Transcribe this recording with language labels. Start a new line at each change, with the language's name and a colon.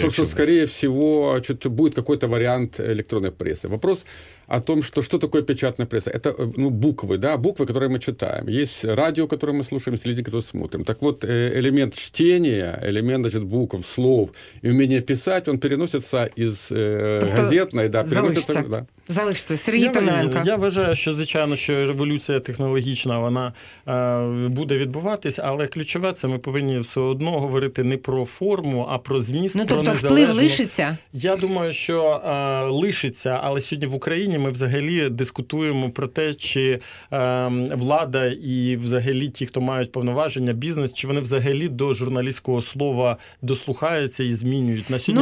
Ukrainian: Да, що, скоріше всього, чи буде якийсь варіант електронної преси.
Russian: Вопрос о том, что такое печатная пресса. Это, ну, буквы, да, буквы, которые мы читаем. Есть радио, которое мы слушаем, есть люди, которые смотрим. Так вот, элемент чтения, элемент, значит, букв, слов и умение писать, он переносится из газетной, да, переносится...
Ukrainian: Залишься. Залишиться. Сергій Томиленко. Я вважаю, що, звичайно, що революція технологічна, вона буде відбуватись, але ключове це, ми повинні все одно говорити не про форму, а про зміст, ну, про тобто незалежну. Вплив лишиться? Я думаю, що лишиться, але сьогодні в Україні ми взагалі дискутуємо про те, чи влада і взагалі ті, хто мають повноваження, бізнес, чи вони взагалі до журналістського слова дослухаються і змінюють. На сьогодні,